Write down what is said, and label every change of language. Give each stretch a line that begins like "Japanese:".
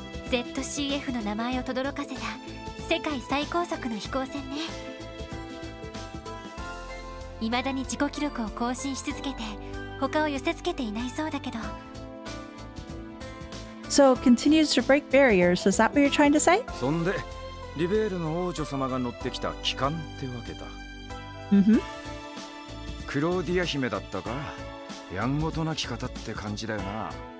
Japanese: ZCF の名前を轟かせた世界最高速の飛行船ね。未だに自己記録を更新し続けて他を寄せ付けていないそうだけど。
English: So it continues to break barriers, is that what you're trying to say?
Japanese: そんで、リベールの王女様が乗ってきた機関ってわけだ。 Mm-hmm. クローディア姫だったか、やんごとな着方って感じだよな。